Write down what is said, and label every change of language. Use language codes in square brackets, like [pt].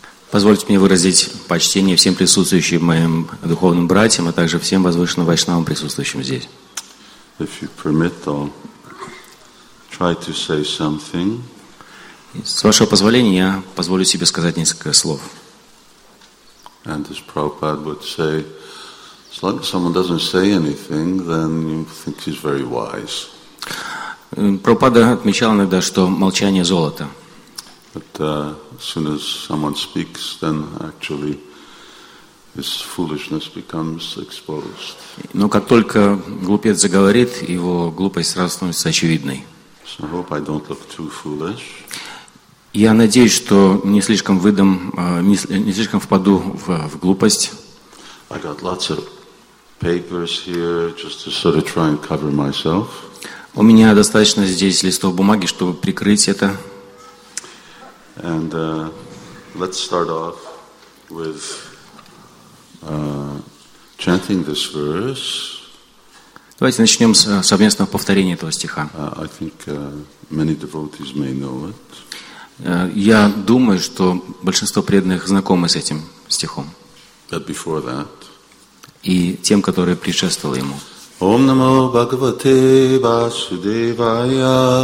[ru] Позвольте мне выразить почтение всем присутствующим моим духовным братьям, а также всем возвышенным вайшнавам, присутствующим здесь. [en] If you permit, I'll try to say something. [ru] С вашего позволения, я позволю себе сказать несколько слов. [en] And as Prabhupada would say, as long as someone doesn't say anything, then you think he's very wise. [ru] Прабхупада отмечал иногда, что молчание золото. [en] But as soon as someone speaks, then actually his foolishness becomes exposed. [ru] Но как только глупец заговорит, его глупость сразу становится очевидной. [en] So I hope I don't look too foolish. [ru] Я надеюсь, что не слишком впаду в глупость. [en] I got lots of papers here just to sort of try and cover myself. [ru] У меня достаточно здесь листов бумаги, чтобы прикрыть это. [en] And let's start off with chanting this verse. [ru] Давайте начнем с совместного повторения этого стиха. [en] I think many devotees may know it. [ru] Я думаю, что большинство преданных знакомы с этим стихом. [en] But before that. [ru] И тем, которые предшествовали ему. [sa] Ом намо Бхагавате Васудевая.